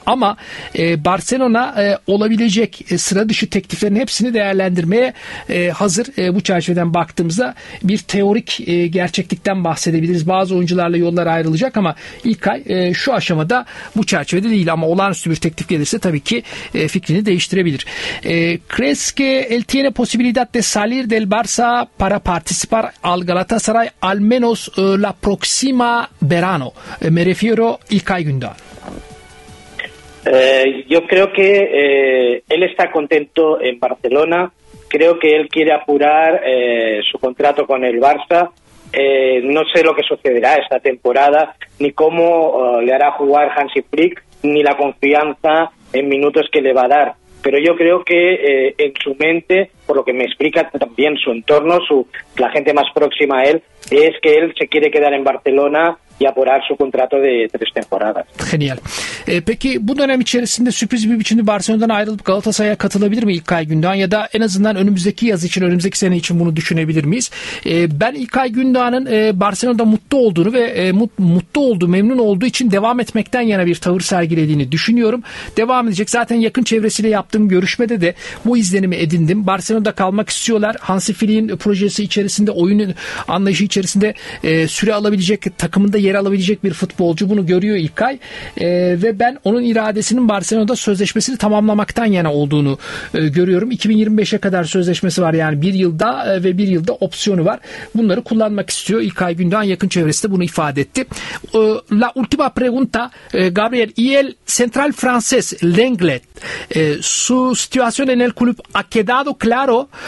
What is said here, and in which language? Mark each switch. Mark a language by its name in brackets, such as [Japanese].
[Turkish] Ama Barcelona olabilecek sıra dışı tekliflerin hepsini değerlendirmeye hazır. Bu çerçeveden baktığımızda bir teorik gerçeklikten bahsedebiliriz. Bazı oyuncularla yollar ayrılacak ama İlkay şu aşamada bu çerçevede değil, ama olağanüstü bir teklif gelirse tabii ki fikrini değiştirebilir. [Spanish] ¿Crees que él tiene posibilidad de salir del Barça para participar al Galatasaray al menos la próxima verano? Me refiero İlkay Gündoğan. Yo creo que él está contento en Barcelona. Creo que él quiere apurar su contrato con el Barça. No sé lo que sucederá esta temporada, ni cómo le hará jugar Hansi Flick, ni la confianza en minutos que le va a dar. Pero yo creo que en su mente, por lo que me explica también su entorno, la gente más próxima a él, es que él se quiere quedar en Barcelona y apurar su contrato de tres temporadas. Genial. [Turkish] Peki bu dönem içerisinde sürpriz bir biçimde Barcelona'dan ayrılıp Galatasaray'a katılabilir mi İlkay Gündoğan, ya da en azından önümüzdeki yaz için, önümüzdeki sene için bunu düşünebilir miyiz? Ben İlkay Gündoğan'ın Barcelona'da mutlu olduğunu ve mutlu olduğu, memnun olduğu için devam etmekten yana bir tavır sergilediğini düşünüyorum. Devam edecek. Zaten yakın çevresiyle yaptığım görüşmede de bu izlenimi edindim. Barcelona'da kalmak istiyorlar. Hansi Flick'in projesi içerisinde, oyunun anlayışı içerisinde süre alabilecek, takımında yer alabilecek bir futbolcu. Bunu görüyor İlkay. Ve ben onun iradesinin Barcelona'da sözleşmesini tamamlamaktan yana olduğunu görüyorum. 2025'e kadar sözleşmesi var, yani bir yılda ve bir yılda opsiyonu var. Bunları kullanmak istiyor. İlkay Gündoğan yakın çevresi de bunu ifade etti. [Spanish] La última pregunta, Gabriel, y el central francés Lenglet, su situación en el club ha quedado claro?